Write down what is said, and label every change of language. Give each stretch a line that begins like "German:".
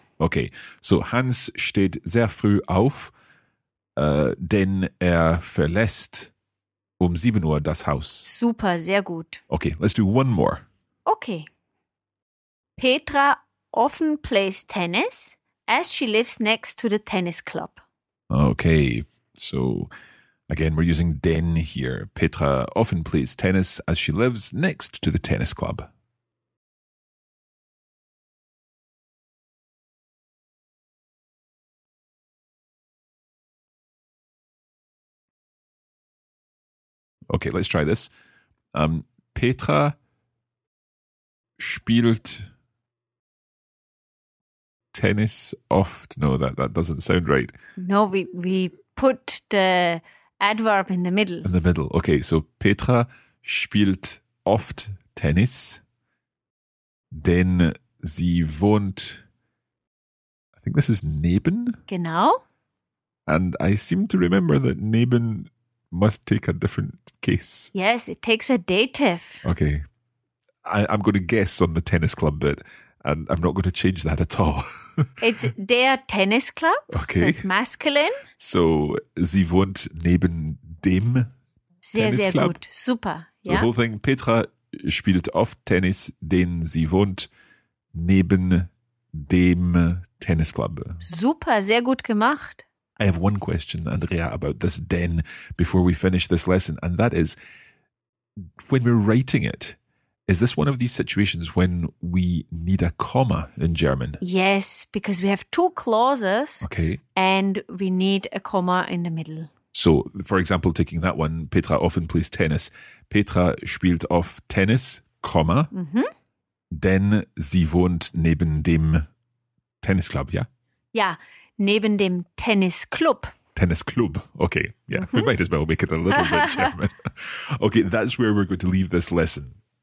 English: Okay, so
German: Hans steht sehr früh auf, denn er verlässt 7 Uhr das Haus. Super, sehr gut.
English: Okay, let's do one more. Okay. Petra often plays tennis as she lives next to the tennis club. Okay, so again, we're using den here. Petra often plays tennis as she lives next to the tennis club. Okay, let's try this.
German: Petra spielt tennis oft.
English: No, that doesn't sound right. No, we put the adverb in the middle. In the middle. Okay, so
German: Petra spielt oft tennis, denn sie wohnt,
English: I think this is
German: neben. Genau.
English: And I seem to remember that neben must take a different case. Yes, it takes a dative. Okay. I'm going to guess on the tennis club bit, and I'm not going to change that at all. It's der tennis club. Okay. So it's masculine.
German: So sie wohnt neben dem sehr, tennis sehr club. Gut. Super.
English: So yeah. The whole thing,
German: Petra spielt oft Tennis, denn sie wohnt neben dem tennis club. Super, sehr gut gemacht.
English: I have one question, Andrea, about this den before we finish this lesson, and that is, when we're writing it, is this one of these situations when we need a comma in German? Yes, because we have two clauses. Okay. And we need a comma in the middle. So, for example, taking that one, Petra often plays tennis.
German: Petra spielt oft Tennis, comma, mm-hmm. denn sie wohnt neben dem Tennisclub, ja? Ja, neben dem Tennisclub. Tennisclub, okay.
English: Yeah, mm-hmm. We might as well make it a little bit German. Okay, that's where we're going to leave this lesson.